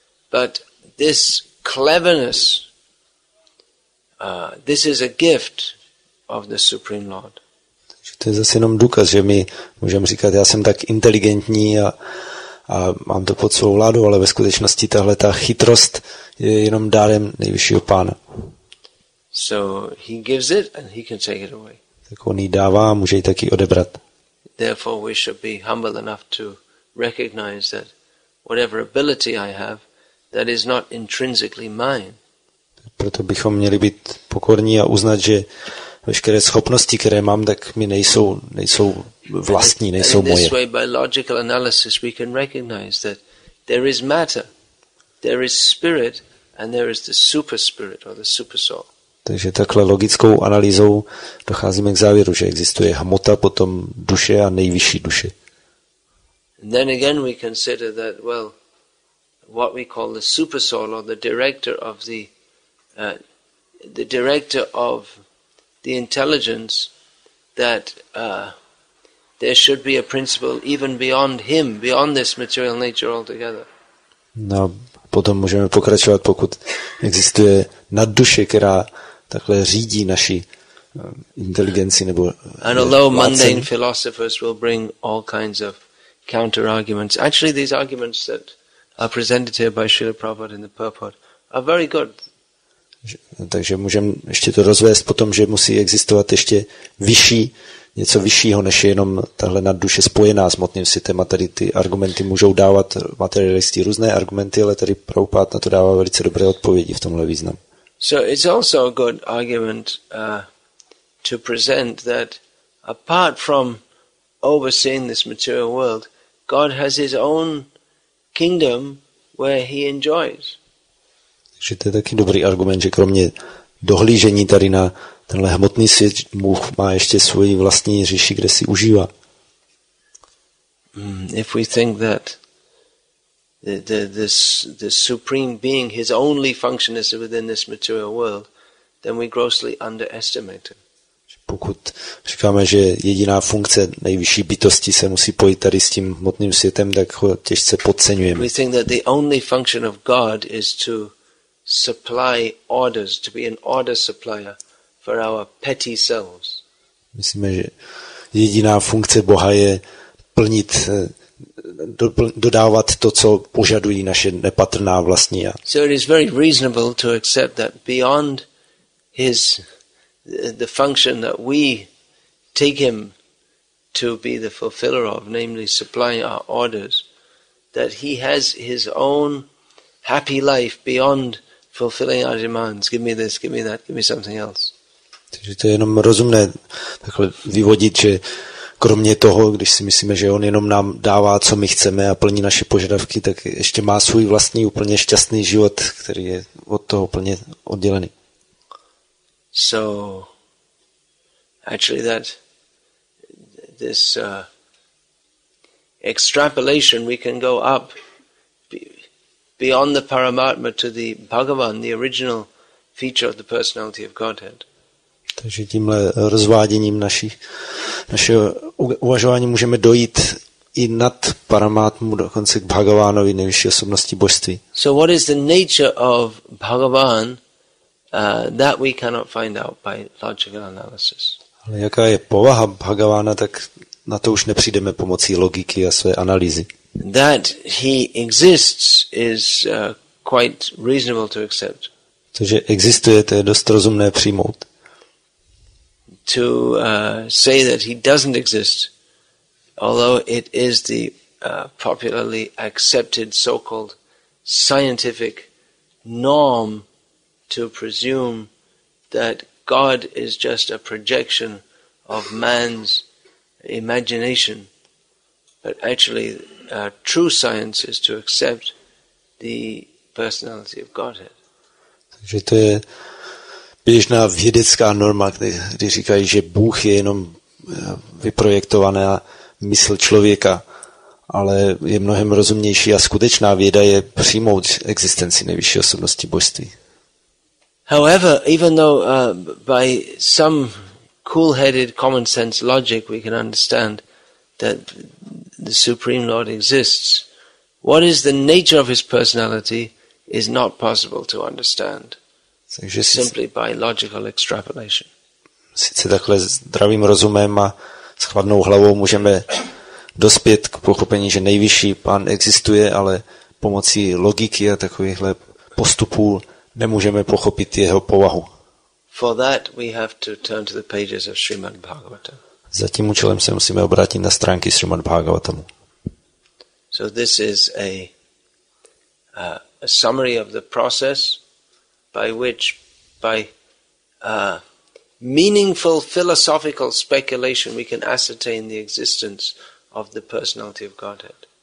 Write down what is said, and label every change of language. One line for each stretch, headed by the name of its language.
English: But this cleverness, this is a gift of the Supreme Lord.
Czech: Takže to je zase jenom důkaz, že my můžeme říkat, já jsem tak inteligentní a mám to pod svou vládou, ale ve skutečnosti tahle ta chytrost je jenom dárem nejvyššího pána.
English: So he gives it and he can take it away.
Czech: Tak on jí dává, může jí taky odebrat.
English: Therefore we should be humble enough to recognize that whatever ability I have, that is not intrinsically mine.
Czech: Proto bychom měli být pokorní a uznat, že veškeré schopnosti, které mám, tak mi nejsou vlastní, nejsou moje.
English: In this way, by logical analysis, we can recognize that there is matter, there is spirit, And there is the super spirit or the super soul.
Czech: Takže takhle logickou analýzou docházíme k závěru, že existuje hmota, potom duše a nejvyšší duše.
English: And then again we consider that, well, what we call the super soul or the director of the director of the intelligence, that there should be a principle even beyond him, beyond this material nature altogether.
Czech: No, potom můžeme pokračovat, pokud existuje nadduše, která takhle řídí naši inteligenci nebo
English: And although mundane philosophers will bring all kinds of counter arguments, actually these arguments that are presented here by Srila Prabhupada in the purport are very good.
Czech: Takže můžeme ještě to rozvést potom, že musí existovat ještě vyšší, něco vyššího, než jenom tahle nadduše spojená s hmotným světem. A tady ty argumenty můžou dávat materialisti různé argumenty, ale tady Prabhupada na to dává velice dobré odpovědi v tomhle významu.
English: So it's also a good argument to present that apart from overseeing this material world, God has his own kingdom where he enjoys.
Czech: Takže to je taky dobrý argument, že kromě dohlížení tady na tenhle hmotný svět, Bůh má ještě svoji vlastní říši, kde si užívá.
English: If we think that the supreme being, his only function is within this material world, then we grossly underestimate him.
Czech: Pokud říkáme, že jediná funkce nejvyšší bytosti se musí pojít tady s tím hmotným světem, tak ho těžce podceňujeme.
English: We think that the only function of God is to supply orders, to be an order supplier for our petty selves.
Czech: Myslíme, že jediná funkce Boha je plnit, dodávat to, co požadují naše nepatrná vlastní já.
English: So it is very reasonable to accept that beyond his the function that we take him to be the fulfiller of, namely supplying our orders, that he has his own happy life beyond fulfilling our demands. Give me this, give me that, give me something else.
Czech: Takže to je jenom rozumné takhle vyvodit, že kromě toho, když si myslíme, že on jenom nám dává, co my chceme a plní naše požadavky, tak ještě má svůj vlastní úplně šťastný život, který je od toho úplně oddělený.
English: So actually that this extrapolation, we can go up beyond the Paramatma to the Bhagavan, the original feature of the personality of Godhead.
Czech: Takže tímhle rozváděním našeho uvažování můžeme dojít i nad Paramatmu, dokonce k Bhagavánovi, nejvyšší osobnosti božství.
English: So what is the nature of Bhagavan? That we cannot find out by logical analysis.
Czech: Ale jaká je povaha Bhagavána, tak na to už nepřijdeme pomocí logiky a své analýzy.
English: That he exists is quite reasonable to accept.
Czech: To, že existuje, to je dost rozumné přijmout.
English: To say that he doesn't exist, although it is the popularly accepted so-called scientific norm to presume that God is just a projection of man's imagination, but actually true science is to accept the personality of Godhead.
Czech: Takže to je běžná vědecká norma, kdy říkají, že Bůh je jenom vyprojektovaná mysl člověka, ale je mnohem rozumnější a skutečná věda je přijmout existenci nejvyšší osobnosti božství.
English: However, even though by some cool-headed common sense logic we can understand that the Supreme Lord exists, what is the nature of his personality is not possible to understand simply by logical extrapolation.
Czech: Sice takhle zdravým rozumem a s chladnou hlavou můžeme dospět k pochopení, že nejvyšší pán existuje, ale pomocí logiky a takovýchhle postupů nemůžeme pochopit jeho povahu.
English: For that we have to turn to the pages of Srimad Bhagavatam.
Czech: Za tím účelem se musíme obrátit na stránky Srimad Bhagavatamu.
English: So this is a summary of the process by which by meaningful philosophical speculation we can ascertain the existence of the personality of Godhead.